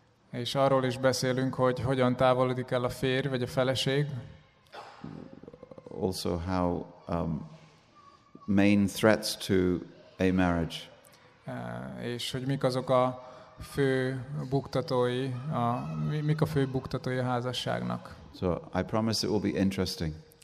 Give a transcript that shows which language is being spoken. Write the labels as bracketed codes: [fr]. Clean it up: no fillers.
[hu] És arról is beszélünk, hogy hogyan távolodik el a férj vagy a feleség. [en] Also how main threats to a marriage. [hu] És hogy mik azok a fő buktatói, mik a fő buktatói a házasságnak. [en] So I promise it will be interesting.